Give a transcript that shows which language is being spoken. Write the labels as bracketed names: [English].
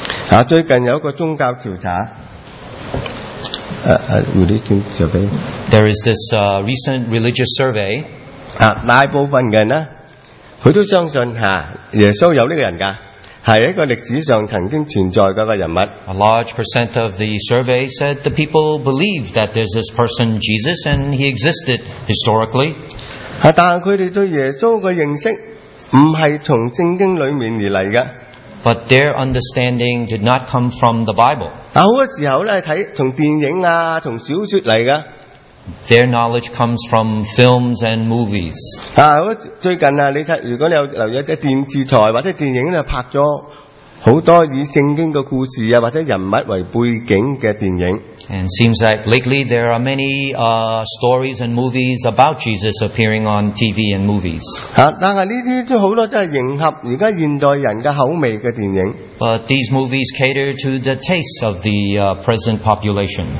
[Cantonese] 啊，最近有一个宗教调查。 [English] There is this recent religious survey. [Cantonese] 啊，大部分人呢，佢都相信吓耶稣有呢个人噶，系一个历史上曾经存在嘅一个人物。 [English] A large percent of the survey said the people believe that there's this person Jesus and he existed historically. [Cantonese] 啊，但系佢哋对耶稣嘅认识唔系从圣经里面而嚟嘅。 [English] But their understanding did not come from the Bible. [Cantonese] 但好多时候咧，睇从电影啊，从小说嚟噶。 [English] Their knowledge comes from films and movies. [Cantonese] 啊，最近啊，你睇，如果你有留意啲电视台或者电影咧，拍咗好多以圣经嘅故事啊，或者人物为背景嘅电影。 [English] And seems like lately there are many stories and movies about Jesus appearing on TV and movies. [Cantonese] 啊，但系呢啲都好多都系迎合而家现代人嘅口味嘅电影。 [English] But these movies cater to the tastes of the present population.